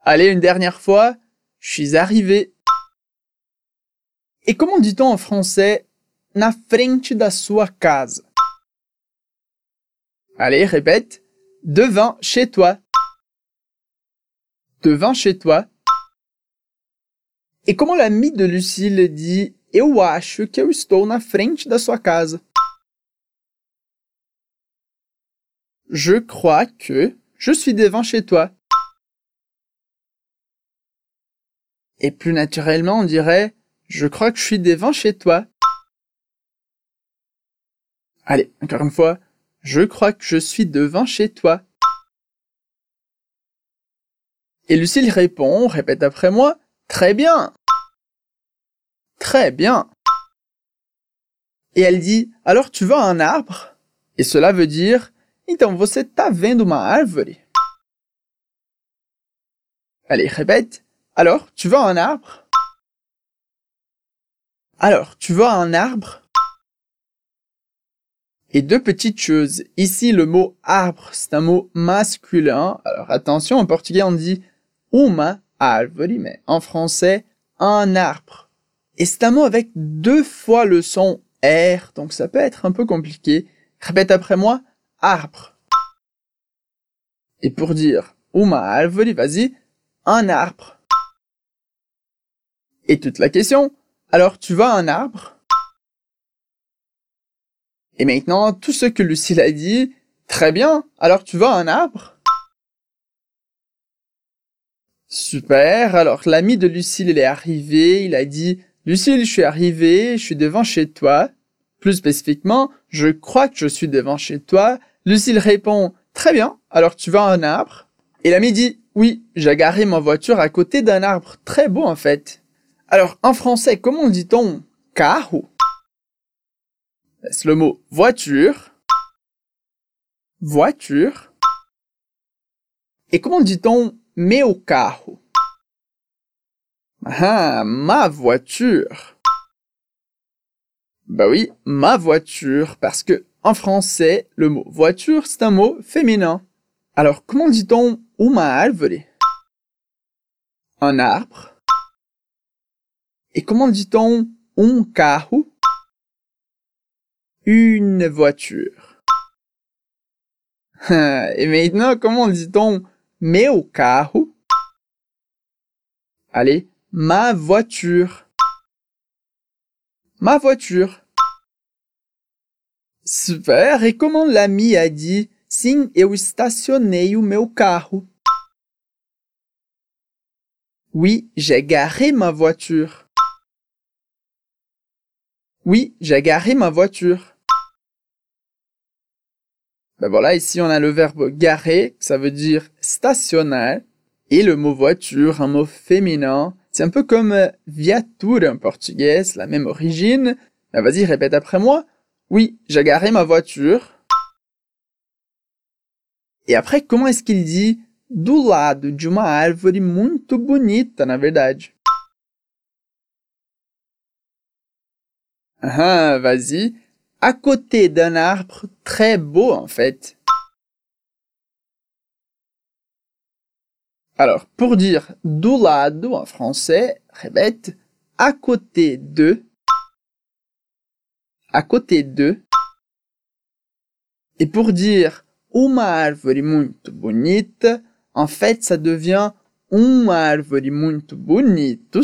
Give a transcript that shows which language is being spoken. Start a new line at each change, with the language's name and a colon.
French: Allez, une dernière fois, « je suis arrivé ». Et comment dit-on en français «
Portuguese: na frente da sua casa » ?
French: Allez, répète, « devant chez toi ». Devant chez toi.
Portuguese: E como o amigo de Lucille diz, eu acho que eu estou na frente da sua casa.
French: Je crois que je suis devant chez toi. Et plus naturellement, on dirait je crois que je suis devant chez toi. Allez, encore une fois, je crois que je suis devant chez toi. Et Lucille répond, répète après moi, très bien. Très bien. Et elle dit, alors tu vois un arbre? Et cela veut dire,
Portuguese: então você tá vendo uma árvore?
French: Allez, répète. Alors, tu vois un arbre? Alors, tu vois un arbre? Et deux petites choses. Ici, le mot arbre, c'est un mot masculin. Alors, attention, en portugais, on dit
Portuguese: uma árvore,
French: mais en français, un arbre. Et c'est un mot avec deux fois le son R, donc ça peut être un peu compliqué. Répète après moi, arbre. Et pour dire
Portuguese: uma árvore,
French: vas-y, un arbre. Et toute la question, alors tu vois un arbre? Et maintenant, tout ce que Lucille a dit, très bien, alors tu vois un arbre? Super, alors l'ami de Lucille, il est arrivé, il a dit, Lucille, je suis arrivé, je suis devant chez toi. Plus spécifiquement, je crois que je suis devant chez toi. Lucille répond, très bien, alors tu vois un arbre? Et l'ami dit, oui, j'ai garé ma voiture à côté d'un arbre, très beau en fait. Alors, en français, comment dit-on « carro » ? C'est le mot « voiture ». Voiture. Et comment dit-on «
Portuguese: meu carro » ?
French: Ah, ma voiture. Bah oui, ma voiture, parce que en français, le mot « voiture », c'est un mot féminin. Alors, comment dit-on «
Portuguese: uma árvore » ?
French: Un arbre. Et comment dit-on un carro? Une voiture. Et maintenant, comment dit-on
Portuguese: meu carro?
French: Allez, ma voiture. Ma voiture. Super. Et comment l'ami a dit
Portuguese: sim, eu estacionei o meu carro?
French: Oui, j'ai garé ma voiture. Oui, j'ai garé ma voiture. Ben voilà, ici on a le verbe garer, ça veut dire stacionar, et le mot voiture, un mot féminin. C'est un peu comme viatura en portugais, la même origine. Ben vas-y, répète après moi. Oui, j'ai garé ma voiture. Et après, comment est-ce qu'il dit
Portuguese: do lado de uma árvore muito bonita, na verdade?
French: Ah, vas-y. À côté d'un arbre très beau, en fait. Alors, pour dire
Portuguese: do lado
French: en français, répète, à côté de. À côté de. Et pour dire
Portuguese: uma árvore muito bonita,
French: en fait, ça devient
Portuguese: um árvore muito bonito.